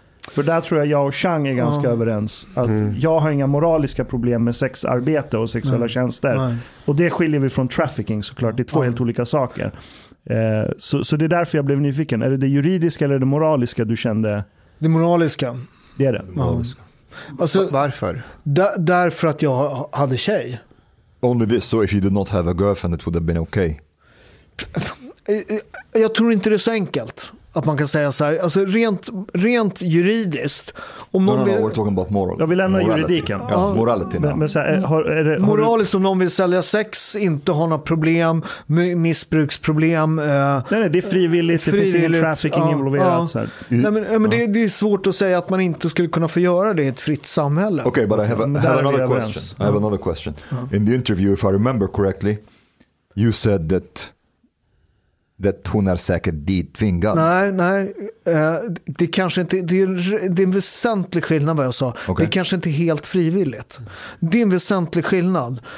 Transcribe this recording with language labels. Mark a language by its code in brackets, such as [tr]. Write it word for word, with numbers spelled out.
[sv] För där tror jag jag och Chang är ganska ja. överens att mm. jag har inga moraliska problem med sexarbete och sexuella Nej. tjänster. Nej. Och det skiljer vi från trafficking såklart. Det är två ja. helt olika saker. Eh, så, så det är därför jag blev nyfiken. Är det det juridiska eller det moraliska du kände? Det moraliska. Det är det. Ja. Moraliska. Alltså, varför? Där, därför att jag hade tjej. [en] Only this, so if you did not have a girlfriend it would have been okay. [sv] Jag tror inte det är så enkelt. Att man kan säga så här, alltså rent, rent juridiskt. Om någon [en] no, no, no, [sv] vill... [en] we're talking about moral. [sv] Jag vill lämna juridiken. [en] Ja, morality. [sv] Men, men så här, har, är det, moraliskt om någon vill sälja sex, inte har några problem, missbruksproblem. Eh, nej, nej, det är frivilligt, frivilligt. Det finns ingen trafficking ja, involverat. Ja. Så här. Nej, men, nej, men ja. det, det är svårt att säga att man inte skulle kunna få göra det i ett fritt samhälle. [en] Okej, okay, but I have, a, have another question. I have another question. [sv] Ja. [en] In the interview, if I remember correctly, you said that [sv] det hon är säkert ditvingad. Nej, nej. Det kanske inte det är, det är en väsentlig skillnad vad jag sa. Okay. Det är kanske inte helt frivilligt. Det är en väsentlig skillnad.